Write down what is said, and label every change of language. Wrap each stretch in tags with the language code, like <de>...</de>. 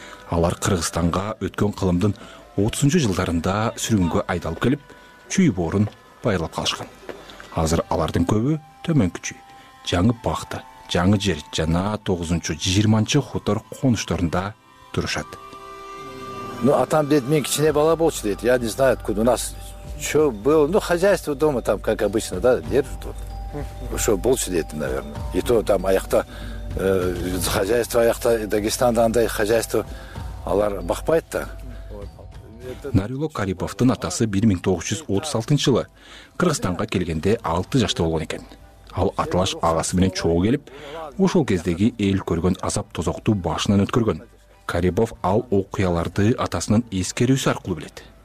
<ky>Алар Кыргызстанга өткөн кылымдын 30-жу жылдарында сүргүнгө айдалып келип, чүй боорун байлап калышкан. Азыр алардын көбү төмөнкү чүй, жаңы пахта, жаңы жер жана 9-20 хутор конушторунда турушат. Ну, атам деди, мен кичине бала болчу деди.</ky> <ru>Я не знаю, откуда у нас что было, ну, хозяйство дома там, как обычно, да, держит вот. Что</ru> <ky>болчу деди,</ky> <ru>наверное. И то там</ru> <ky>аякта хозяйство аякта Дагестанда андай хозяйство алар бакпайт да. Нарило Карибовтун атасы 1936 жылы Кыргызстанга келгенде 6 жашта болгон экен. Ал аталаш агасы менен чогуу келип, ошол кездеги эл көргөн азап тозокту башынан өткөргөн. Карибов ал окуяларды атасынын эскерүүсү аркылуу билет.</ky>